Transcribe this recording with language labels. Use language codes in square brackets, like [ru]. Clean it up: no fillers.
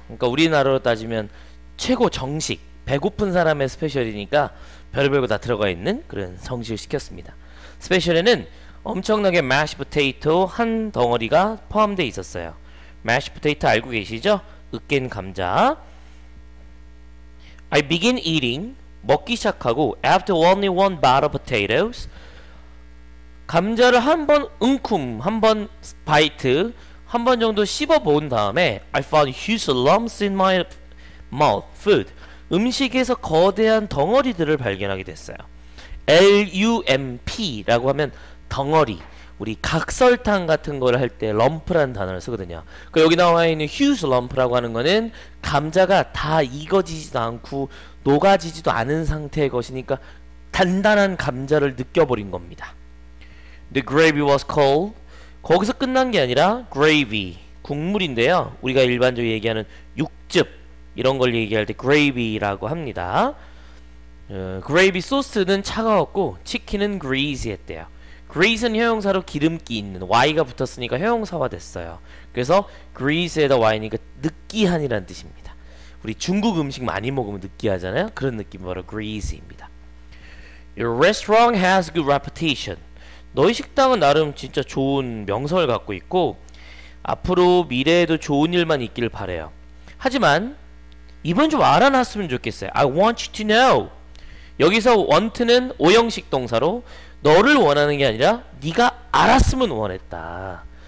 [ko] 그러니까 우리나라로 따지면 최고 정식 배고픈 사람의 스페셜이니까 별의별 거 다 들어가 있는 그런 성식을 시켰습니다. 스페셜에는 엄청나게 mashed potato 한 덩어리가 포함되어 있었어요. mashed potato 알고 계시죠? 으깬 감자. [en] I begin eating [ko] 먹기 시작하고 [en] after only one bite of potatoes [ko] 감자를 한번 웅큼 한번 바이트 한번 정도 씹어본 다음에 [en] I found huge lumps in my mouth food [ko] 음식에서 거대한 덩어리들을 발견하게 됐어요. LUMP 라고 하면 덩어리 우리 각설탕 같은 거를 할 때 럼프라는 단어를 쓰거든요. 그 여기 나와 있는 huge lump라고 하는 거는 감자가 다 익어지지도 않고 녹아지지도 않은 상태의 것이니까 단단한 감자를 느껴버린 겁니다. [en] The gravy was cold. [ko] 거기서 끝난 게 아니라 gravy, 국물인데요. 우리가 일반적으로 얘기하는 육즙 이런 걸 얘기할 때 gravy라고 합니다. Gravy 소스는 차가웠고 치킨은 greasy했대요. grease는 형용사로 기름기 있는 y가 붙었으니까 형용사화 됐어요. 그래서 grease에다 y니까 느끼한이라는 뜻입니다. 우리 중국 음식 많이 먹으면 느끼하잖아요. 그런 느낌 바로 grease입니다. [en] Your restaurant has good reputation. [ko] 너희 식당은 나름 진짜 좋은 명성을 갖고 있고 앞으로 미래에도 좋은 일만 있기를 바래요. 하지만 이번 좀 알아놨으면 좋겠어요. [en] I want you to know. [ko] 여기서 want는 오형식 동사로 너를 원하는 게 아니라 네가 알았으면 원했다.